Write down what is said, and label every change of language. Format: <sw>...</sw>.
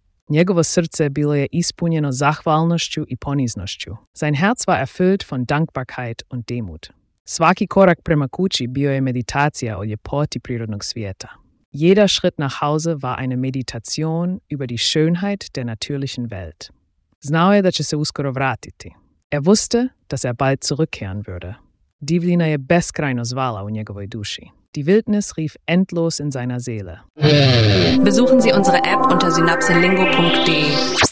<hr>Njegovo srce bilo je ispunjeno zahvalnošću i poniznošću.</hr> <de>Sein Herz war erfüllt von Dankbarkeit und Demut.</de> <hr>Svaki korak prema kući bio je meditacija o ljepoti prirodnog svijeta.</hr> <de>Jeder Schritt nach Hause war eine Meditation über die Schönheit der natürlichen Welt.</de> <hr>Znao je da će se uskoro vratiti.</hr> <de>Er wusste, dass er bald zurückkehren würde.</de> <hr>Divljina je beskrajno zvala u njegovoj duši.</hr> <de>Die Wildnis rief endlos in seiner Seele. Besuchen Sie unsere App unter synapsenlingo.de.</de>